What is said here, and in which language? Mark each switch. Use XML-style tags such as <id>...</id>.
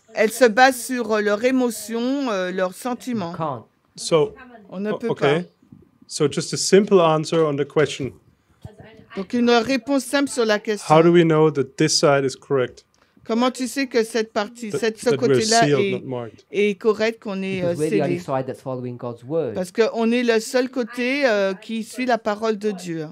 <fr>Elles se basent sur leurs émotions, leurs sentiments.</fr> <en>Can't. So.</en> <fr>On ne peut okay. pas.</fr> <en>So just a simple answer on the question.</en> <fr>Donc une réponse simple sur la question.</fr> <en>How do we know that this side is correct?</en> <fr>Comment tu sais que cette partie, ce côté-là est correct, qu'on est scellé? Parce qu'on est le seul côté qui suit la parole de Dieu.</fr>